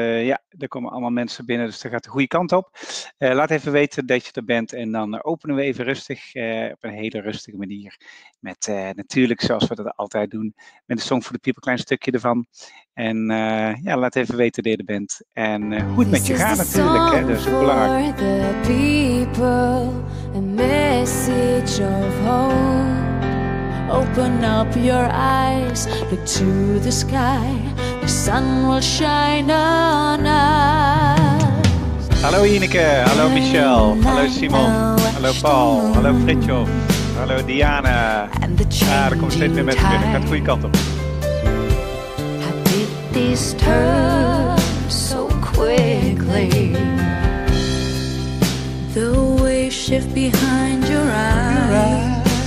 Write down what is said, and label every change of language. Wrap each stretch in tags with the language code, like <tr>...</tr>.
<nl>Ja, er komen allemaal mensen binnen, dus dat gaat de goede kant op. Laat even weten dat je er bent en dan openen we even rustig, op een hele rustige manier. Met natuurlijk, zoals we dat altijd doen, met de Song for the People, een klein stukje ervan. En ja, laat even weten dat je er bent. En goed met je gaan natuurlijk, hè. Dat is ook belangrijk.</nl> <en>For the people, a message of hope. Open up your eyes, look to the sky, the sun will shine on us.</en> <nl>Hallo Ineke, hallo Michel, hallo Simon, hallo Paul, hallo Fritjo, hallo Diana. Er komt steeds meer mensen binnen, gaat de goede kant op.</nl> <en>How did this turn so quickly? The waves shift behind your eyes.</en>